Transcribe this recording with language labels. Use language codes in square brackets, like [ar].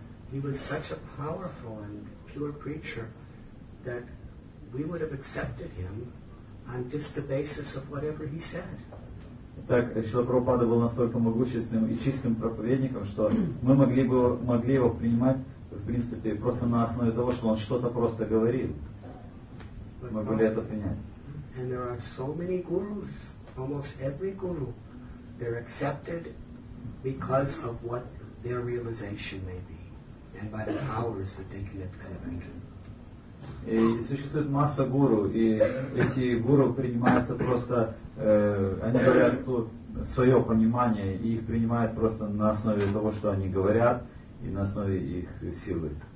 [en] He was such a powerful and pure preacher that we would have accepted him on just the basis of whatever he said. [ru] Так, Шрила Прабхупада был настолько могущественным и чистым проповедником, что мы могли его принимать, в принципе, просто на основе того, что он что-то просто говорил. Мы могли это принять. [en] And there are so many gurus, almost every guru, they're accepted because of what their realization may be. And by the powers that they can exhibit. [ru] И существует масса гуру, и эти гуру принимаются просто, они говорят тут свое понимание, и их принимают просто на основе того, что они говорят, и на основе их силы.